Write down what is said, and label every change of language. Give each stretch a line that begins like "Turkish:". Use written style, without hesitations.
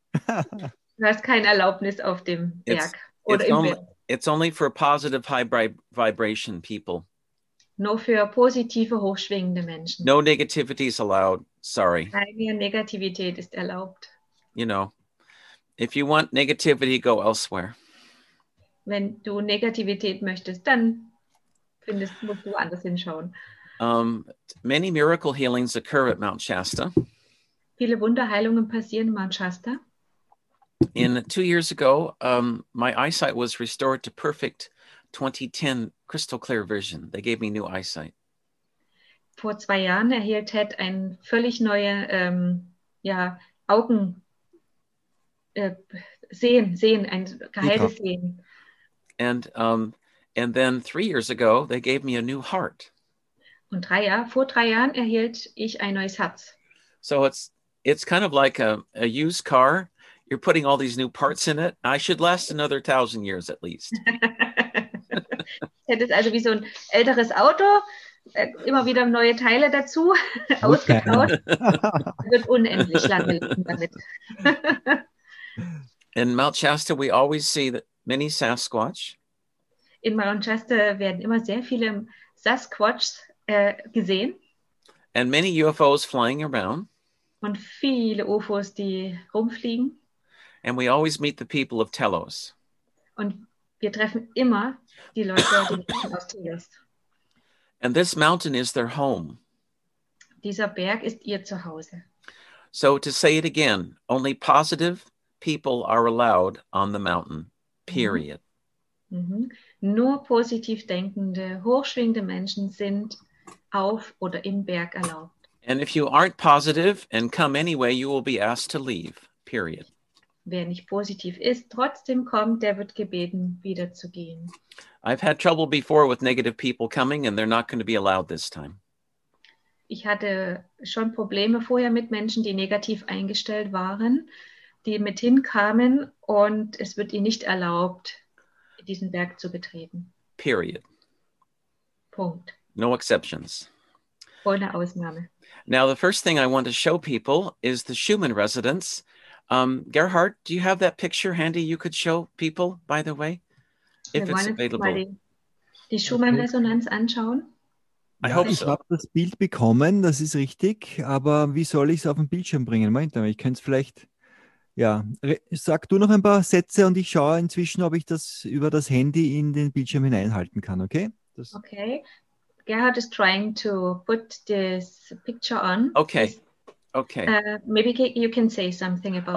German: Du hast keine Erlaubnis auf dem Berg.
English: It's only for positive high vibration people.
German: Nur für positive, hochschwingende Menschen.
English: No negativity is allowed. Sorry.
German: Keine Negativität ist erlaubt.
English: You know, if you want negativity, go elsewhere.
German: Wenn du Negativität möchtest, dann musst du anders hinschauen.
English: Many miracle healings occur at Mount Shasta.
German: Viele Wunderheilungen passieren in Mount Shasta.
English: In 2 years ago, my eyesight was restored to perfect 2010 crystal clear vision. They gave me new eyesight.
German: Vor 2 Jahren erhielt Ted eine völlig neue Augen sehen ein geheiltes Sehen.
English: And then 3 years ago, they gave me a new heart.
German: Und vor 3 Jahren erhielt ich ein neues Herz.
English: So it's kind of like a used car. You're putting all these new parts in it. I should last another 1,000 years at least.
German: Hätte es also wie so ein älteres Auto, immer wieder neue Teile dazu ausgebaut, wird unendlich lange leben damit.
English: In Mount Shasta, we always see that many Sasquatch.
German: In Mount Shasta werden immer sehr viele Sasquatchs gesehen.
English: And many UFOs flying around.
German: Und viele UFOs, die rumfliegen.
English: And we always meet the people of Telos.
German: Und wir treffen immer die Leute, die Menschen aus Telos.
English: And this mountain is their home.
German: Dieser Berg ist ihr Zuhause.
English: So to say it again, only positive people are allowed on the mountain, period.
German: Nur positiv denkende, hochschwingende Menschen sind auf oder im Berg erlaubt.
English: And if you aren't positive and come anyway, you will be asked to leave, period.
German: Wer nicht positiv ist, trotzdem kommt, der wird gebeten, wieder zu gehen.
English: I've had trouble before with negative people coming and they're not going to be allowed this time.
German: Ich hatte schon Probleme vorher mit Menschen, die negativ eingestellt waren, die mit hinkamen und es wird ihnen nicht erlaubt, diesen Berg zu betreten.
English: Period.
German: Punkt.
English: No exceptions.
German: Ohne Ausnahme.
English: Now the first thing I want to show people is the Schumann residence. Gerhard, do you have that picture handy you could show people, by the way, if it's available?
German: Die Schumann-Resonanz anschauen?
English: I hope
German: so. Ich habe das Bild bekommen, das ist richtig, aber wie soll ich es auf den Bildschirm bringen? Moment, ich könnte es vielleicht, ja, sag du noch ein paar Sätze und ich schaue inzwischen, ob ich das über das Handy in den Bildschirm hineinhalten kann, okay?
English: Okay, Gerhard is trying to put this picture on. Okay. Okay. Maybe you can say something about